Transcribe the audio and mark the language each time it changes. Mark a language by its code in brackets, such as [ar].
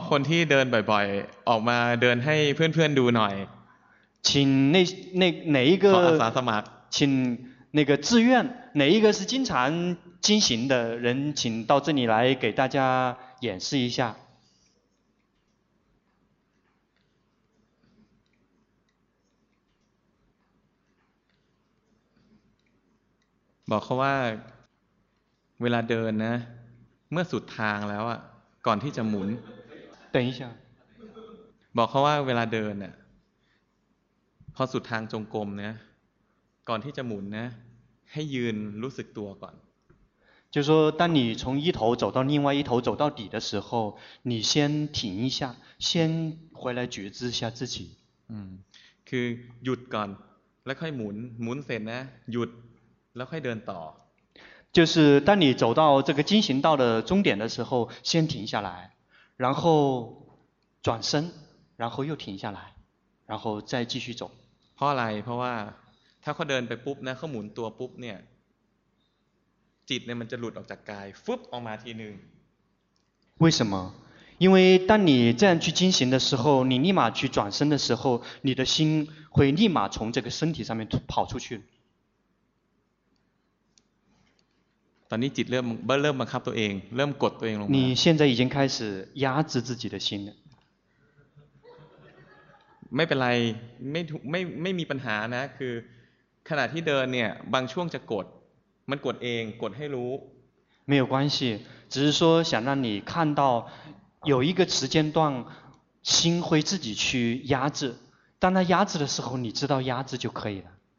[th] คนที่เดินบ่อยๆออกมาเดินให้เพื่อนๆดูหน่อย [zh] 请那哪一个 [th] ขออาสาสมัคร [zh] 请那个自愿哪一个是经常精行的人请到这里来给大家演示一下 [th] บอกเขาว่าเวลาเดินนะเมื่อสุดทางแล้วอ่ะก่อนที่จะหมุน เดี๋ยวอีกครั้ง บอกเขาว่าเวลาเดินน่ะพอสุดทางจงกรมนะก่อนที่จะหมุนนะให้ยืนรู้สึกตัวก่อน [zh] 就是说当你从一头走到另外一头走到底的时候你先停一下先回来觉知一下自己 [th] คือหยุดก่อนแล้วค่อยหมุนหมุนเสร็จนะหยุดแล้วค่อยเดินต่อ [zh] 就是当你走到这个精行道的终点的时候先停下来然后转身然后又停下来然后再继续走 [th] เพราะอะไรเพราะว่าถ้าเขาเดินไปปุ๊บนะเขาหมุนตัวปุ๊บเนี่ยจิตเนี่ยมันจะหลุดออกจากกายฟึบออกมาทีนึง [zh] 为什么因为当你这样去精行的时候你立马去转身的时候你的心会立马从这个身体上面跑出去 [th] ตอนนี้จิตเริ่มบังคับตัวเองเริ่มกดตัวเองลงม [zh] า你现在已经开始压制自己的心了 [th] ไม่เป็นไรไม่มีปัญหานะคือขณะที่เดินเนี่ยบางช่วงจะกดมันกดเองกดให้รู้ [zh] 没有关系只是说想让你看到有一个时间段心会自己去压制当它压制的时候你知道压制就可以了